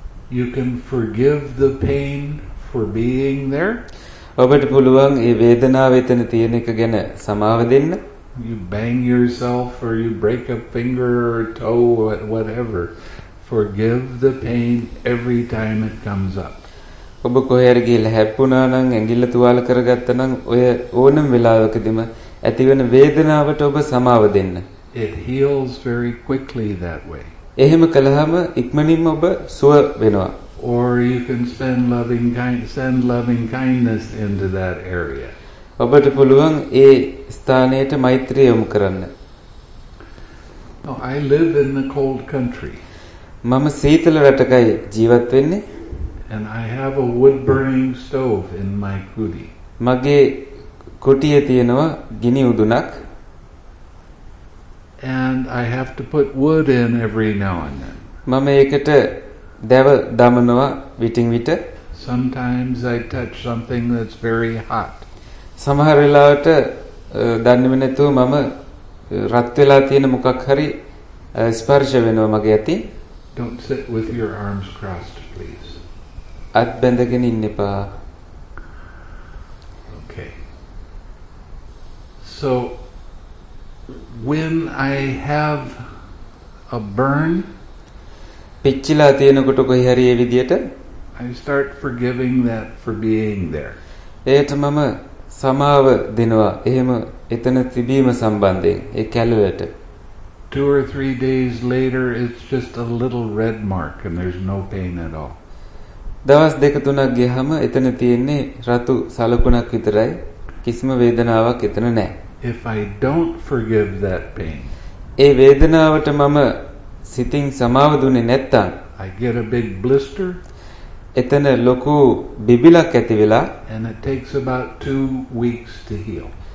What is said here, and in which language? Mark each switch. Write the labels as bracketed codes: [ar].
[en] You can forgive the pain for being there. [si] ඔබට පුළුවන් ඒ වේදනාව එතන තියෙන එක ගැන සමාව දෙන්න. [en] You bang yourself or you break a finger or a toe or whatever. Forgive the pain every time it comes up. [si] ඔබ කොහේ හරි ගිහලා හැප්පුණා නම් ඇඟිල්ල තුවාල කරගත්තා නම් ඔය ඕනම වෙලාවකදීම ඇතිවන වේදනාවට ඔබ සමාව දෙන්න. [en] It heals very quickly that way. [si] එහෙම කළාම ඉක්මනින්ම ඔබ සුව වෙනවා. [en] Or you can spend loving kind, send loving kindness into that area. [si] ඔබට පුළුවන් ඒ ස්ථානයට මෛත්‍රිය යොමු කරන්න. [en] Now I live in the cold country. [si] මම සීතල රටක ජීවත් වෙන්නේ. [en] And I have a wood burning stove in my kuti. [si] මගේ කුටියේ තියෙනවා ගිනි උදුනක්. [en] And I have to put wood in every now and then. [si] මම ඒකට දැව දමනවා විටින් විට. [en] Sometimes I touch something that's very hot. [si] සමහර වෙලාවට දන්නේ නැතුව මම රත් වෙලා තියෙන මොකක් හරි ස්පර්ශ වෙනවා මගේ ඇති. [en] Don't sit with your arms crossed, please. [si] අත් බැඳගෙන ඉන්න එපා. [en] Okay. So when I have a burn, [si] පිච්චිලා තියෙනකොට කොයි හරි ඒ විදියට [en] I start forgiving that for being there. [si] ඒත් මම සමාව දෙනවා එහෙම එතන තිබීම සම්බන්ධයෙන් ඒ කැලුවට. [en] 2 or 3 days later it's just a little red mark and there's no pain at all. [si] දවස් දෙක තුනක් ගියහම එතන තියෙන්නේ රතු සලකුණක් විතරයි කිසිම වේදනාවක් එතන නැහැ. [en] If I don't forgive that pain. [si] ඒ වේදනාවට මම සිතින් සමාව දුන්නේ නැත්තම් [en] I get a big blister. [si] එතන ලොකු බිබිලක් ඇති වෙලා [en] and it takes about 2 weeks to heal.